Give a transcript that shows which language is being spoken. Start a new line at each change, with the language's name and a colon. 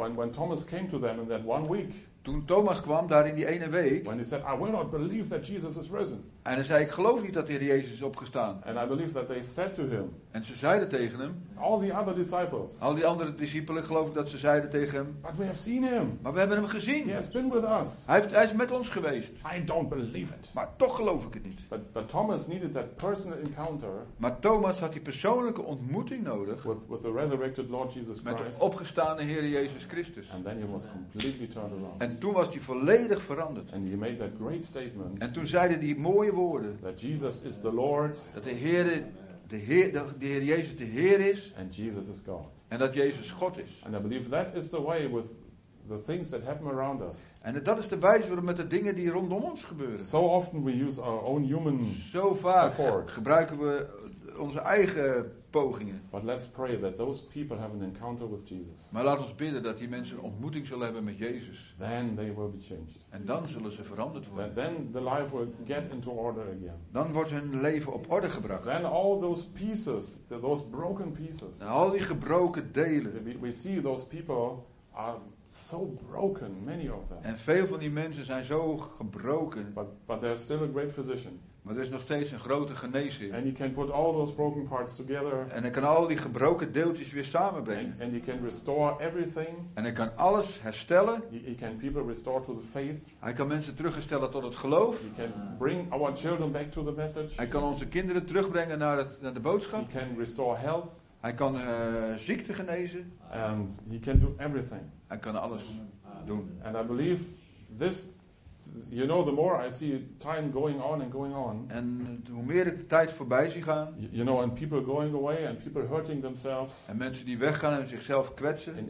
English: When Thomas came to them in that one week.
Dutch: Toen Thomas kwam daar in die ene week.
English: When he said, I will not believe that Jesus is risen.
Dutch: En hij zei, ik geloof niet dat de Heer Jezus is opgestaan.
English: And I believe that they said to him,
Dutch: en ze zeiden tegen hem.
English: All the other disciples,
Dutch: al die andere discipelen geloof ik dat ze zeiden tegen hem.
English: But we have seen him.
Dutch: Maar we hebben hem gezien.
English: He has been with us.
Dutch: Hij is met ons geweest.
English: I don't believe it.
Dutch: Maar toch geloof ik het niet.
English: But Thomas needed that personal encounter,
Dutch: maar Thomas had die persoonlijke ontmoeting nodig.
English: With the resurrected Lord Jesus Christ,
Dutch: met de opgestane Heer Jezus Christus.
English: And then he was completely turned around.
Dutch: En toen was hij volledig veranderd.
English: And he made that great statement,
Dutch: en toen zeiden die mooie woorden.
English: That Jesus is the Lord,
Dutch: dat de Heer Jezus de Heer is.
English: And Jesus is God.
Dutch: En dat Jezus God is.
English: And I believe that is the way with the things that happen around us.
Dutch: En dat is de wijze waarop met de dingen die rondom ons gebeuren.
English: So often we use our own human
Dutch: zo vaak effort. Gebruiken we onze eigen pogingen.
English: But let's pray that those people have an encounter with Jesus.
Dutch: Maar laat ons bidden dat die mensen een ontmoeting zullen hebben met Jezus.
English: Then they will be changed.
Dutch: En dan zullen ze veranderd worden.
English: Then the life will get into order again.
Dutch: Dan wordt hun leven op orde gebracht.
English: Then all those pieces, those broken pieces.
Dutch: En al die gebroken delen.
English: We see those people are so broken, many of them.
Dutch: En veel van die mensen zijn zo gebroken.
English: But they're still a great physician.
Dutch: Maar er is nog steeds een grote geneesheer.
English: And he can put all those broken parts together.
Dutch: En hij kan al die gebroken deeltjes weer samenbrengen.
English: And he can restore everything.
Dutch: En hij kan alles herstellen.
English: He can people restore to the faith.
Dutch: Hij kan mensen terugherstellen tot het geloof.
English: He can bring our children back to the message.
Dutch: Hij kan onze kinderen terugbrengen naar de boodschap.
English: He can restore health.
Dutch: Hij kan ziekte genezen.
English: And he can do everything.
Dutch: Hij kan alles doen.
English: And I believe this. You know, the more I see time going on and going on.
Dutch: En hoe meer ik de tijd voorbij zie gaan.
English: You know, and people going away and people hurting themselves.
Dutch: En mensen die weggaan en zichzelf kwetsen.